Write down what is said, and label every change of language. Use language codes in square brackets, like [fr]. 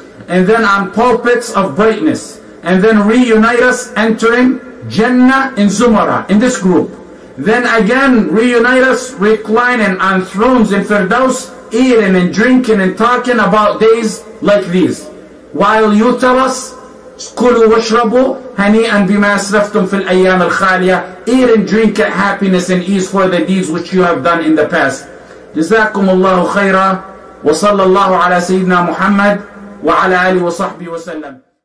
[en] And then on pulpits of brightness. And then reunite us entering Jannah in Zumarah, in this group. Then again, reunite us reclining on thrones in Firdaus, eating and drinking and talking about days like these. [ar] While you tell us, كُلُوا وَشْرَبُوا هَنِيئًا بِمَا أَسْرَفْتُمْ فِي الْأَيَّامِ الْخَالِيَةِ. [en] Eat and drink at happiness and ease for the deeds which you have done in the past. [ar] جزاكم الله خيرا وصلى الله على سيدنا محمد وعلى آله وصحبه وسلم.